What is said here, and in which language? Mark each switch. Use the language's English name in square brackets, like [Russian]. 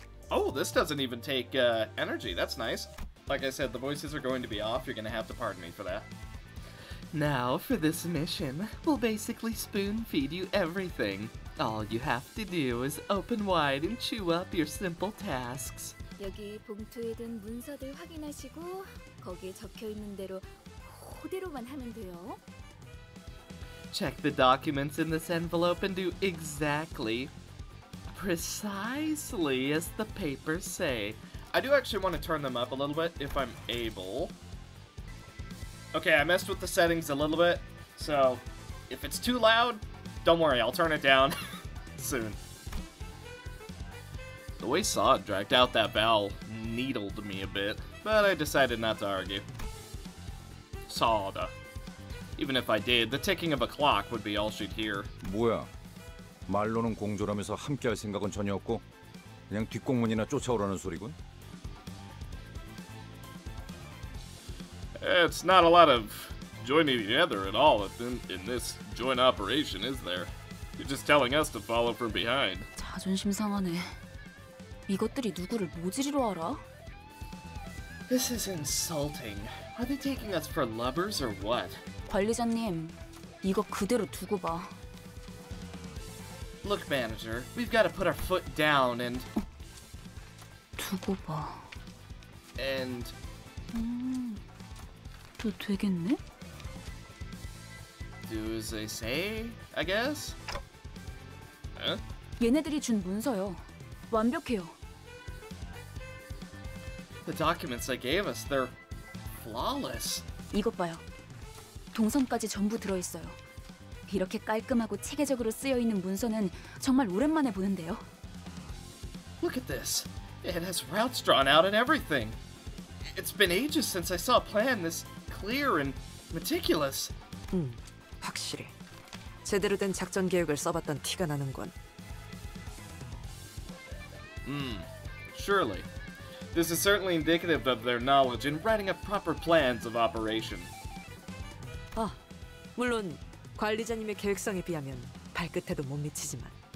[English] Oh, this doesn't even take energy. That's nice. Like I said, the voices are going to be off. You're going to have to pardon me for that. Now, for this mission, we'll basically spoon-feed you everything. All you have to do is open wide and chew up your simple tasks. [Korean] 여기 봉투에 든 문서들 확인하시고 거기에 적혀 있는 대로 그대로만 하면 돼요. [English] Check the documents in this envelope and do exactly, precisely as the papers say. I do actually want to turn them up a little bit if I'm able. Okay, I messed with the settings a little bit, so if it's too loud, don't worry, I'll turn it down soon. The way Sod dragged out that vowel needled me a bit, but I decided not to argue. Sod. Even if I did, the ticking of a clock would be all she'd hear. [Korean] 뭐야? 말로는 공존하면서 함께할 생각은 전혀 없고, 그냥 뒷공문이나 쫓아오라는 소리군? [English] It's not a lot of joining together at all in this joint operation, is there? You're just telling us to follow from behind. [Korean] 자존심 상하네. 이것들이 누구를 모질이로 알아? [English] This is insulting. Are they taking us for lovers or what? [Korean] 관리자님, 이거 그대로 두고 봐. [English] Look, manager, we've got to put our foot down and... [Korean] 두고 봐. [English] And... [Korean] 또 되겠네? [English] Do as they say, I guess? [Korean] Huh? 얘네들이 준 문서요. 완벽해요. [English] The documents they gave us, they're flawless. [Korean] 이것 봐요. 동선까지 전부 들어있어요. 이렇게 깔끔하고 체계적으로 쓰여있는 문서는 정말 오랜만에 보는데요. [English] Look at this. It has routes drawn out and everything. It's been ages since I saw a plan this clear and meticulous. [Korean] 확실히. 제대로 된 작전 계획을 써봤던 티가 나는군. [English] Surely. This is certainly indicative of their knowledge in writing up proper plans of operation. [Korean] 아, 물론 관리자님의 계획성에 비하면 발끝에도 못 미치지만.